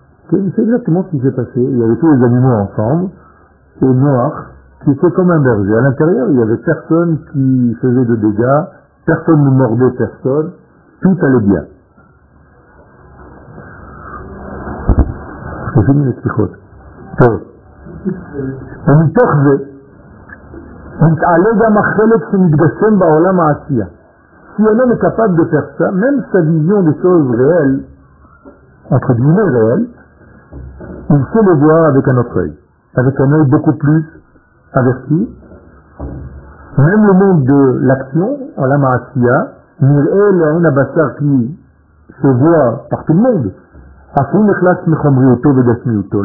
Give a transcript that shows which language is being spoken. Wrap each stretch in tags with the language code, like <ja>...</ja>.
<fr>C'est exactement ce qui s'est passé. Il y avait tous les animaux ensemble et Noach qui était comme un berger. À l'intérieur, il n'y avait personne qui faisait de dégâts, personne ne mordait personne, tout allait bien. J'ai fini les psychotes. On y</fr> <he>מתעלה גם החלק שמתגשם בעולם העשייה.</he> <fr>Si on est capable de faire ça, même sa vision des choses réelles, entre guillemets réelles, il faut le voir avec un autre œil, avec un œil beaucoup plus averti. Même le monde de l'action, en la ma'asiya, Mir'el a un abassar qui se voit par tout le monde.</fr>